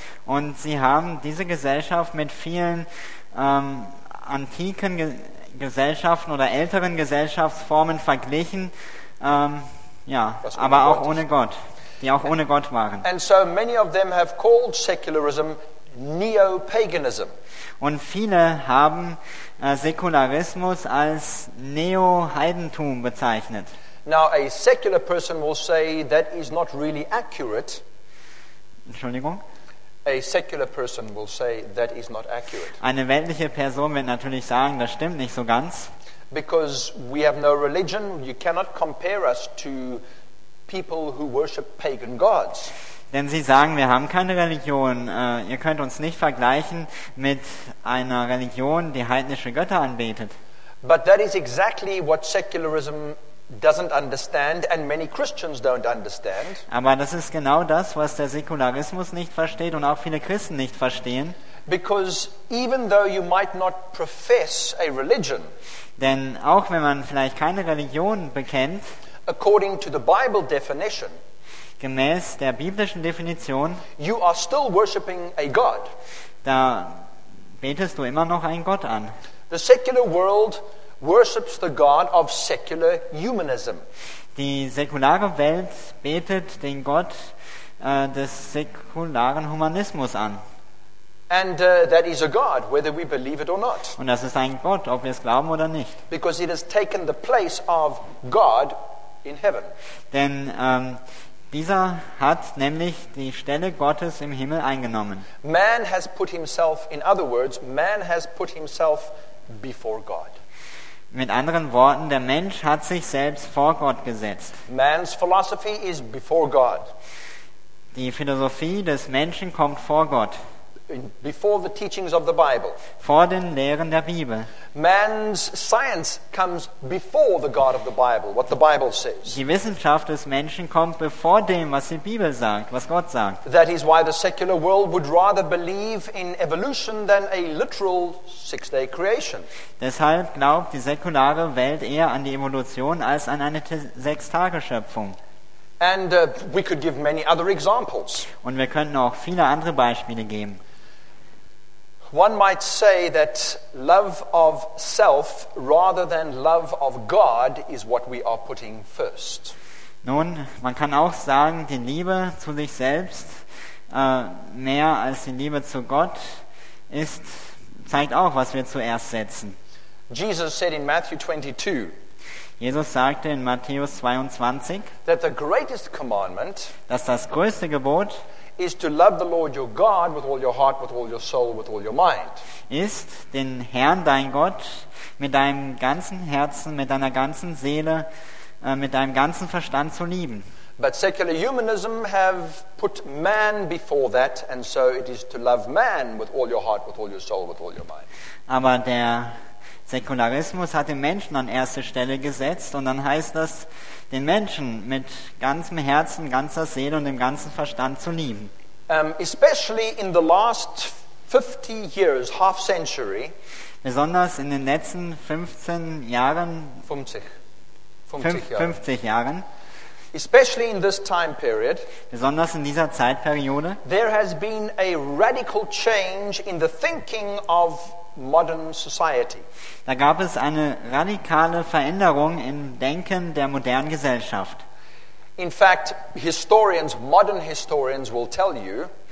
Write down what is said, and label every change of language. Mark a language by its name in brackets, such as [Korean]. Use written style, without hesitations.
[German] Und sie haben diese Gesellschaft mit vielen antiken Gesellschaften oder älteren Gesellschaftsformen verglichen, aber auch ohne Gott, die auch ohne Gott waren. [English] And so many of them have called secularism neo-paganism. [German] Und viele haben Säkularismus als Neo-Heidentum bezeichnet. [English] Now a secular person will say that is not really accurate. [German] Entschuldigung. [English] A secular person will say that is not accurate. [German] Eine weltliche Person wird natürlich sagen, das stimmt nicht so ganz. [English] Because we have no religion, you cannot compare us to people who worship pagan gods. [German] Denn sie sagen, wir haben keine Religion. Ihr könnt uns nicht vergleichen mit einer Religion, die heidnische Götter anbetet. [English] But that is exactly what secularism doesn't understand and many Christians don't understand. [German] Aber das ist genau das, was der Säkularismus nicht versteht und auch viele Christen nicht verstehen. [English] Because even though you might not profess a religion, [German] denn auch wenn man vielleicht keine Religion bekennt, [English] according to the Bible definition, [German] gemäß der biblischen Definition, [English] you are still worshiping a god. [German] Da betest du immer noch einen Gott an. [English] The secular world worships the god of secular humanism. [German] Die säkulare Welt betet den Gott des säkularen Humanismus an. [English] And that is a god whether we believe it or not. [German] Und das ist ein Gott, ob wir es glauben oder nicht. [English] Because it has taken the place of God in heaven. [German] Denn dieser hat nämlich die Stelle Gottes im Himmel eingenommen. [English] Man has put himself, in other words, man has put himself before God. [German] Mit anderen Worten, der Mensch hat sich selbst vor Gott gesetzt. [English] Man's philosophy is before God. [German] Die Philosophie des Menschen kommt vor Gott. [English] Before the teachings of the Bible. [German] Vor den Lehren der Bibel. [English] Man's science comes before the God of the Bible, what the Bible says. [German] Die Wissenschaft des Menschen kommt bevor dem, was die Bibel sagt, was Gott sagt. [English] That is why the secular world would rather believe in evolution than a literal six-day creation. [German] Deshalb glaubt die säkulare Welt eher an die Evolution als an eine Sechstageschöpfung. [English] And we could give many other examples. [German] Und wir könnten auch viele andere Beispiele geben. [English] One might say that love of self rather than love of God is what we are putting first. [German] Nun, man kann auch sagen, die Liebe zu sich selbst mehr als die Liebe zu Gott ist, zeigt auch, was wir zuerst setzen. [English] Jesus said in Matthew 22, [German] Jesus sagte in Matthäus 22, [English] that the greatest commandment, [German] dass das größte Gebot, [English] is to love the Lord your God with all your heart, with all your soul, with all your mind. [German] Ist den Herrn dein Gott mit deinem ganzen Herzen, mit deiner ganzen Seele, mit deinem ganzen Verstand zu lieben. [English] But secular humanism have put man before that, and so it is to love man with all your heart, with all your soul, with all your mind. [German] Aber der Säkularismus hat den Menschen an erste Stelle gesetzt und dann heißt das, den Menschen mit ganzem Herzen, ganzer Seele und dem ganzen Verstand zu lieben. [English] Especially in the last 50 years, half century. [German] Besonders in den letzten 15 Jahren. 50 Jahren. [English] Especially in this time period. [German] Besonders in dieser Zeitperiode. [English] There has been a radical change in the thinking of modern society. [German] Da gab es eine radikale Veränderung im Denken der modernen Gesellschaft. [English] In fact, historians, modern historians will tell you,